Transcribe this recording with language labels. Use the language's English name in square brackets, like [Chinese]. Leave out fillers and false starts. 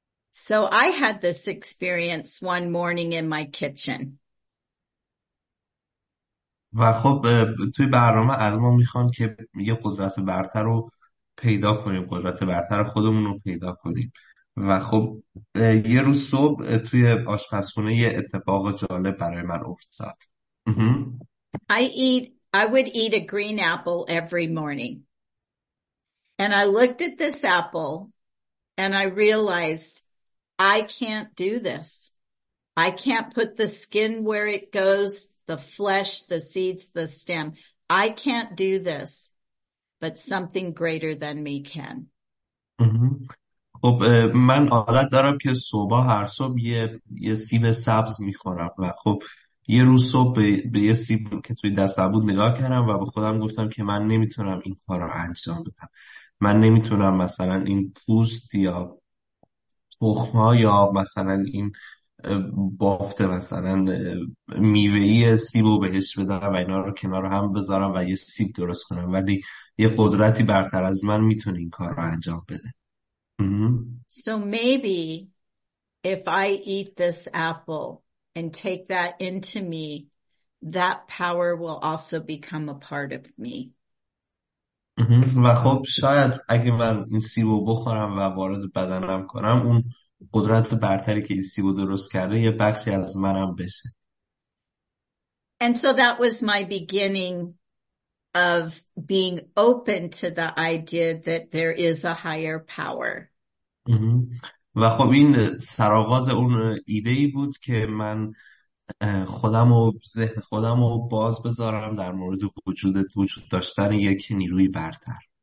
[English] So I had this experience one morning in my kitchen. [Persian] و خب توی برنامه از ما میخوان که یه قدرت برتر رو پیدا کنیم، قدرت برتر خودمون رو پیدا کنیم و خب یه روز صبح توی آشپزخونه یه اتفاق جالب برای من افتاد. [English] I would eat a green apple every morning. And I looked at this apple and I realized I can't do this. I can't put the skin where it goes, the flesh, the seeds, the stem. I can't do this, but something greater than me can. [Persian] خب من عادت دارم که صبح هر صبح یه سیب سبز میخورم و خب یه روز صبح به یه سیب که توی دستم بود نگاه کردم و به خودم گفتم که من نمیتونم این کار رو انجام بدم، من نمیتونم مثلا این پوست یا تخم ها یا مثلا این بافت مثلا میوه‌ای سیب رو بهش بدم و اینا رو کنار هم بذارم و یه سیب درست کنم، ولی یه قدرتی برتر از من میتونه این کار رو انجام بده. [English] So maybe if I eat this apple and take that into me, that power will also become a part of me. [Persian] و خب شاید اگه من این سیبو بخورم و وارد بدنم کنم اون قدرت برتری که این سیبو درست کرده یه بخشی از منم بشه. [English] And so that was my beginning of being open to the idea that there is a higher power. [Persian] و خب این سرآغاز اون ایده ای بود که من خودم و ذهن خودم رو باز بذارم در مورد وجود داشتن یک نیروی برتر.